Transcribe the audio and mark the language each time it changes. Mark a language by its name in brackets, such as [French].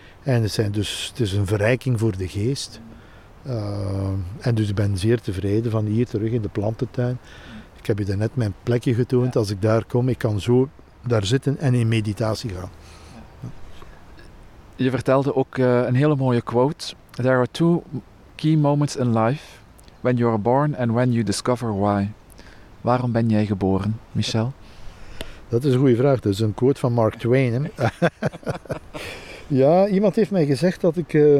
[Dutch] En het is een verrijking voor de geest. En dus ik ben zeer tevreden van hier terug in de plantentuin. Ik heb je daarnet mijn plekje getoond. Als ik daar kom, ik kan zo daar zitten en in meditatie gaan. Je vertelde ook een hele mooie quote. [English] There are two key moments in life, when you are born and when you discover why. [Dutch] Waarom ben jij geboren, Michel? Dat is een goede vraag. Dat is een quote van Mark Twain. Hè? Ja, iemand heeft mij gezegd dat ik...